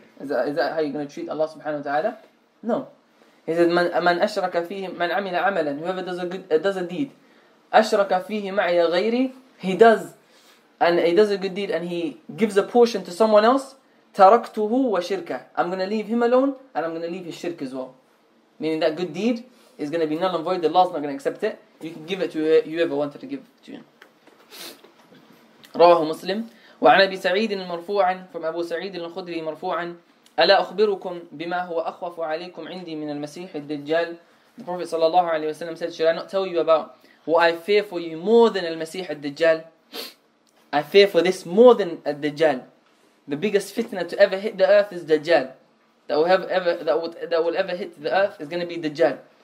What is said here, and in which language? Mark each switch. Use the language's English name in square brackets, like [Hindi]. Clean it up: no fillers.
[English] Is that how you're going to treat Allah subhanahu wa ta'ala? No. He says, [Arabic] man ashraka fihi, man amila amalan, [English] whoever does a deed, [Arabic] ashraka fihi ma'ya ghayri, [English] he does a good deed and he gives a portion to someone else, [Arabic] taraktuhu wa shirka, [English] I'm going to leave him alone and I'm going to leave his shirk as well. Meaning that good deed is going to be null and void, Allah's not going to accept it. You can give it to whoever wanted to give it to him. [Arabic] Rawahu Muslim. وعن أبي سعيد المرفوع [English] from [Arabic] أبو سعيد الخدري مرفوعا ألا أخبركم بما هو أخوف عليكم عندي من المسيح الدجال [English] The Prophet sallallahu alayhi wa sallam said, should I not tell you about what I fear for you more than al-Masih al-Dajjal? I fear for this more than al-Dajjal. The biggest fitna to ever hit the earth is Dajjal. That will ever hit the earth is going to be Dajjal.